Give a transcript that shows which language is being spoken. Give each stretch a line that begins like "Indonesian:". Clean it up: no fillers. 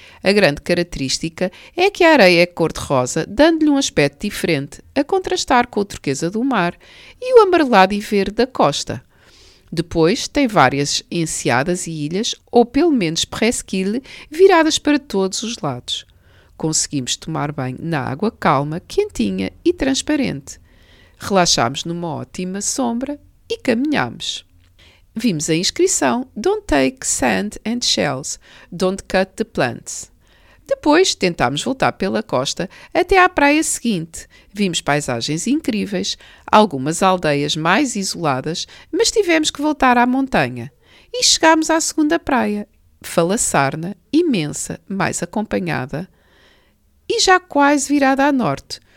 Portuguese: A grande característica é que a areia é cor-de-rosa, dando-lhe um aspecto diferente, a contrastar com a turquesa do mar e o amarelado e verde da costa. Depois tem várias enseadas e ilhas, ou pelo menos presqu'île, viradas para todos os lados. Conseguimos tomar banho na água calma, quentinha e transparente. Relaxámos numa ótima sombra e caminhámos. Vimos a inscrição
English: Don't take sand and shells, don't cut the plants.
Portuguese: Depois tentámos voltar pela costa até à praia seguinte. Vimos paisagens incríveis, algumas aldeias mais isoladas, mas tivemos que voltar à montanha. E chegámos à segunda praia, Falassarna, imensa, mais acompanhada e já quase virada a norte.